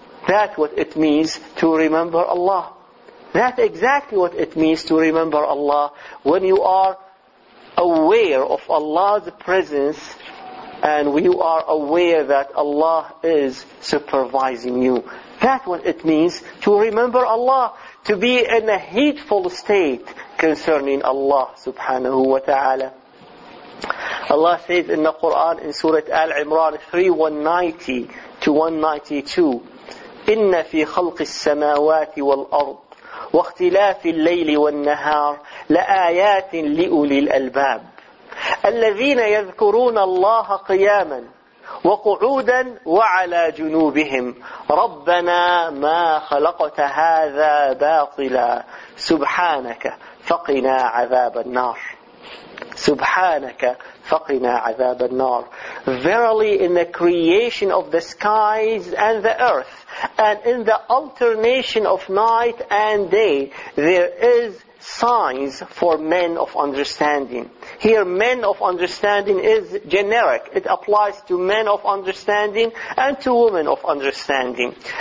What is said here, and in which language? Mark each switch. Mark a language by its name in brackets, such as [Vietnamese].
[English] That's what it means to remember Allah. That's exactly what it means to remember Allah, when you are aware of Allah's presence and you are aware that Allah is supervising you. That's what it means to remember Allah, to be in a heedful state concerning Allah subhanahu wa ta'ala. Allah says in the Quran in Surah Al-Imran 3:190 to 192, [Arabic] إِنَّ فِي خَلْقِ السَّمَاوَاتِ وَالْأَرْضِ وَاخْتِلَافِ اللَّيْلِ وَالنَّهَارِ لَآيَاتٍ لِأُولِي الْأَلْبَابِ الَّذِينَ يَذْكُرُونَ اللَّهَ قِيَامًا وَقُعُودًا وَعَلَى جُنُوبِهِمْ رَبَّنَا مَا خَلَقْتَ هَذَا بَاطِلًا سُبْحَانَكَ فَقِنَا عَذَابَ النَّارِ سُبْحَانَكَ فَقِنَا عَذَابَ النَّارِ. [English] Verily in the creation of the skies and the earth, and in the alternation of night and day, there is signs for men of understanding. Here, men of understanding is generic. It applies to men of understanding and to women of understanding.